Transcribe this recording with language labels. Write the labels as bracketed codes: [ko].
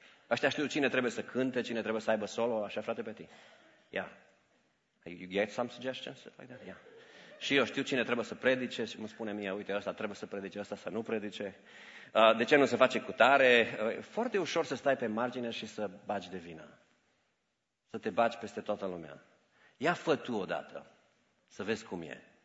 [ro] Ăștia știu cine trebuie să cânte, cine trebuie să aibă solo, așa, frate Peti. Ia. [en] You get some suggestions like that? Yeah. [ro] Și eu știu cine trebuie să predice și mă spune mie, uite, ăsta trebuie să predice, ăsta să nu predice. De ce nu se face cu tare? Foarte ușor să stai pe margine și să bagi de vină. Să te bagi peste toată lumea. Ia fă tu odată să vezi cum e.